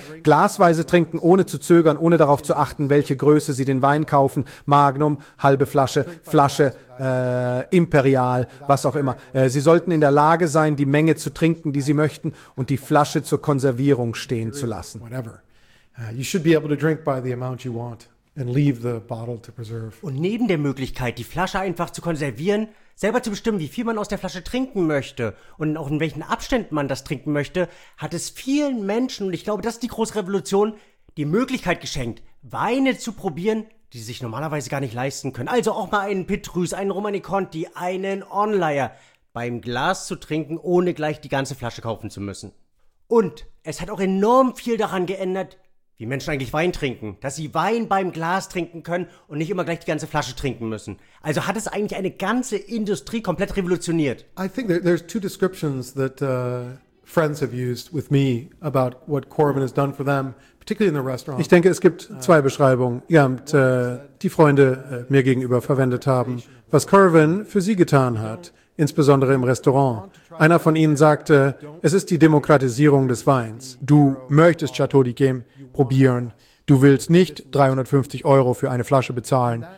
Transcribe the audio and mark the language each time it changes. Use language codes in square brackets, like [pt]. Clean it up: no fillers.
[de] Glasweise trinken, ohne zu zögern, ohne darauf zu achten, welche Größe sie den Wein kaufen. Magnum, halbe Flasche, Flasche, Imperial, was auch immer. Sie sollten in der Lage sein, die Menge zu trinken, die sie möchten, und die Flasche zur Konservierung stehen zu lassen. [en] You should be able to drink by the amount you want and leave the bottle to preserve. [de] Und neben der Möglichkeit, die Flasche einfach zu konservieren, selber zu bestimmen, wie viel man aus der Flasche trinken möchte und auch in welchen Abständen man das trinken möchte, hat es vielen Menschen, und ich glaube, das ist die große Revolution, die Möglichkeit geschenkt, Weine zu probieren, die sich normalerweise gar nicht leisten können. Also auch mal einen Petrus, einen Romani Conti, einen Onleyer beim Glas zu trinken, ohne gleich die ganze Flasche kaufen zu müssen. Und es hat auch enorm viel daran geändert, wie Menschen eigentlich Wein trinken, dass sie Wein beim Glas trinken können und nicht immer gleich die ganze Flasche trinken müssen. Also hat es eigentlich eine ganze Industrie komplett revolutioniert. [en] I think there's two descriptions that friends have used with me about what Coravin has done for them, particularly in the restaurant. [de] Ich denke, es gibt zwei Beschreibungen, die Freunde mir gegenüber verwendet haben, was Coravin für sie getan hat, insbesondere im Restaurant. Einer von ihnen sagte, es ist die Demokratisierung des Weins. Du möchtest Chateau d'Yquem probieren. Du willst nicht 350 Euro für eine Flasche bezahlen.